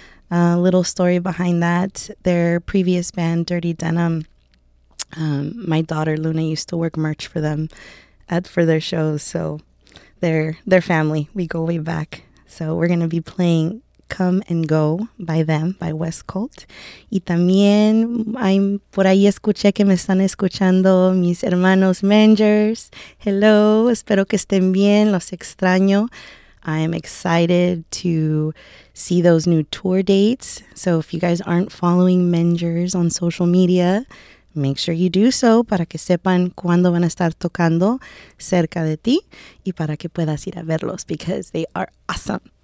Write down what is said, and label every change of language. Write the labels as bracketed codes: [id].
[en] A little story behind that, their previous band, Dirty Denim, my daughter Luna used to work merch for them for their shows. So they're family. We go way back. So we're going to be playing Come and Go by them, by West Cult. [es] Y también por ahí escuché que me están escuchando mis hermanos Mangers. Hello, espero que estén bien, los extraño. [en] I'm excited to see those new tour dates. So if you guys aren't following Mangers on social media, make sure you do so [es] para que sepan cuándo van a estar tocando cerca de ti y para que puedas ir a verlos [en] because they are awesome.